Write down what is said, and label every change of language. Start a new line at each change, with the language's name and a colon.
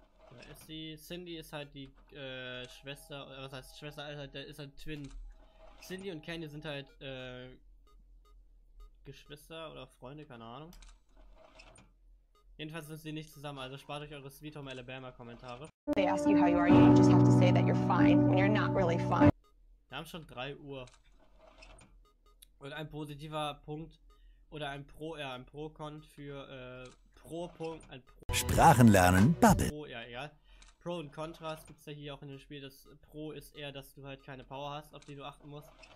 German: Da ist sie. Cindy ist halt die Schwester, oder was heißt Schwester, also der ist halt Twin. Cindy und Candy sind halt Geschwister oder Freunde, keine Ahnung. Jedenfalls sind sie nicht zusammen, also spart euch eure Sweet Home Alabama Kommentare.
English: They ask you how you are, you just have to say that you're fine, when you're not really fine.
German: Wir haben schon 3 Uhr. Und ein positiver Punkt, oder ein Pro, ja, ein Pro-Con für, Pro-Punkt, ein Pro. Sprachenlernen, Bubble. Pro, ja, egal. Pro und Contras gibt's ja hier auch in dem Spiel. Das Pro ist eher, dass du halt keine Power hast, auf die du achten musst.